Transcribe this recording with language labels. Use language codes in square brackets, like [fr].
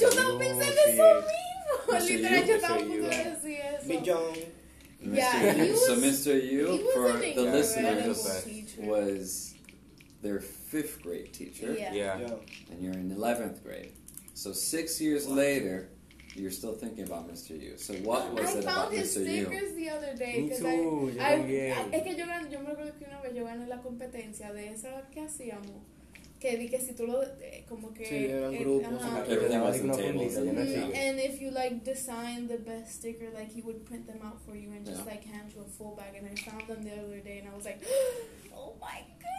[en] Yu, for the listeners, was their fifth grade teacher. Yeah. And you're in 11th grade. So 6 years later, you're still thinking about Mr. Yu. So what was it about Mr. Yu? I found his stickers the other day. Me too. [es] Es que yo me acuerdo que una vez yo gané la competencia de esa que hacíamos. Que di que si tú lo, como que... Sí, era un grupo. [en] Everything was in tables. And if you, like, design the best sticker, like, he would print them out for you and just, like, hand you a full bag. And I found them the other day and I was like, oh my goodness.